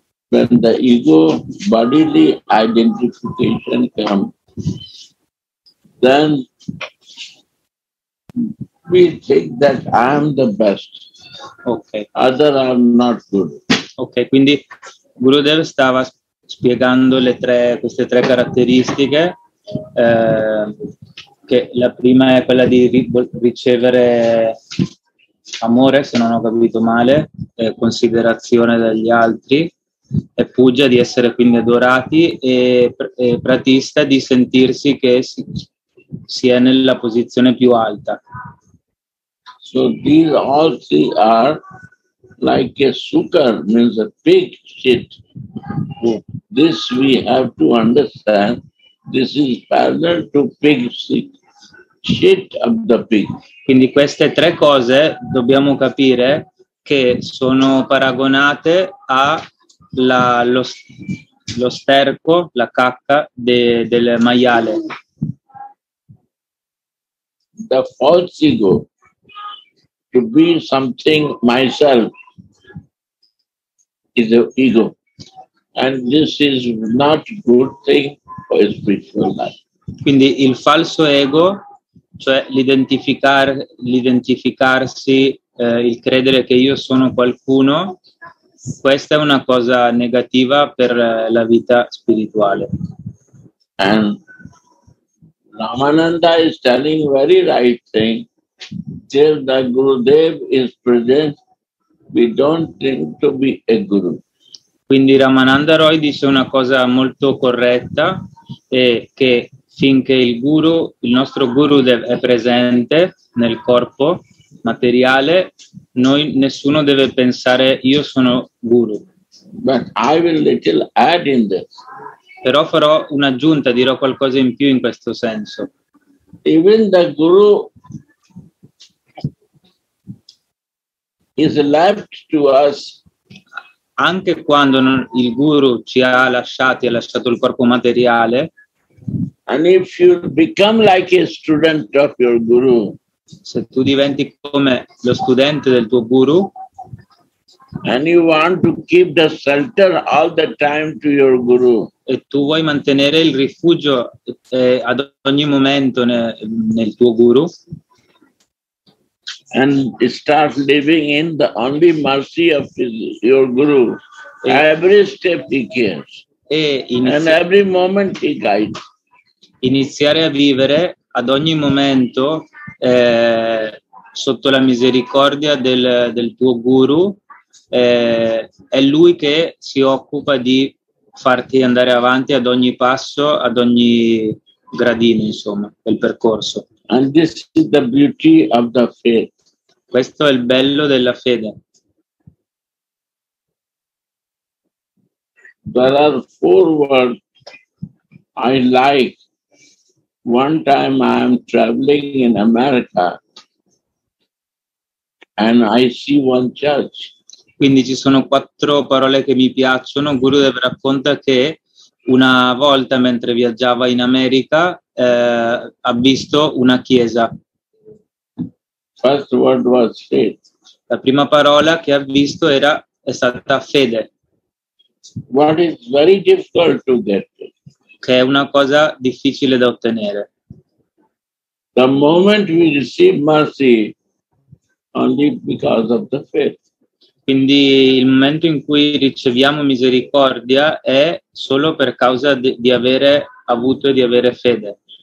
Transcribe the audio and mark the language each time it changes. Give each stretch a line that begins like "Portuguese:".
English: When the ego bodily identification comes, then we think that I am the best. Okay. Other are not good.
Italian: Ok, quindi Gurudev stava spiegando le tre, queste tre caratteristiche, che la prima è quella di ricevere amore, se non ho capito male, considerazione degli altri, e puja di essere quindi adorati, e pratista di sentirsi che si è nella posizione più alta.
English: So these all three are like a sukar, means a pig shit. This we have to understand. This is parallel to pig shit, shit of the pig.
Italian: Quindi queste tre cose dobbiamo capire che sono paragonate a lo sterco, la cacca del maiale.
English: The false ego to be something myself is the ego, and this is not good thing for a spiritual life.
Italian: Quindi il falso ego, cioè l'identificarsi, il credere che io sono qualcuno, questa è una cosa negativa per la vita spirituale.
English: And Ramananda is telling very right thing. Till the Gurudev is present, we don't think to be a guru.
Italian: Quindi Ramananda Roy dice una cosa molto corretta, che finché il guru, il nostro Gurudev è presente nel corpo materiale, noi nessuno deve pensare io sono guru.
English: But I will little add in this.
Italian: Però farò un'aggiunta, dirò qualcosa in più in questo senso.
English: Even the guru is left to us.
Italian: Anche quando il guru ci ha lasciati, ha lasciato il corpo materiale.
English: And if you become like a student of your guru,
Italian: se tu diventi come lo studente del tuo guru,
English: and you want to keep the shelter all the time to your guru,
Italian: e tu vuoi mantenere il rifugio ad ogni momento nel tuo guru,
English: and start living in the only mercy of your guru, every step he cares, and every moment he guides.
Italian: Iniziare a vivere ad ogni momento sotto la misericordia del tuo guru, è lui che si occupa di farti andare avanti ad ogni passo, ad ogni gradino, insomma, del percorso.
English: And this is the beauty of the faith.
Italian: Questo è il bello della fede.
English: There are four words I like. One time I am traveling in America and I see one church.
Italian: Quindi ci sono quattro parole che mi piacciono. Gurudev racconta che una volta mentre viaggiava in America ha visto una chiesa.
English: First word was faith.
Italian: La prima parola che ha visto è stata fede.
English: What is very difficult to get.
Italian: Che è una cosa difficile da ottenere.
English: The moment we receive mercy only because of the faith.
Italian: Quindi il momento in cui riceviamo misericordia è solo per causa di avere avuto e di avere fede.